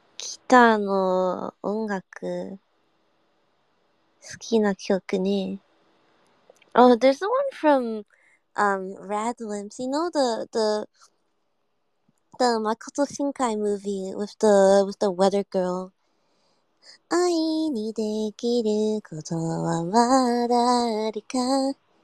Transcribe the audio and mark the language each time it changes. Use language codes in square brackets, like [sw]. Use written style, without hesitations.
[ja] ギターの音楽、好きな曲ね。 [en] Oh, there's one from Red Limbs. You know the Makoto Shinkai movie with the weather girl. [ja] 愛にできることはまだありか。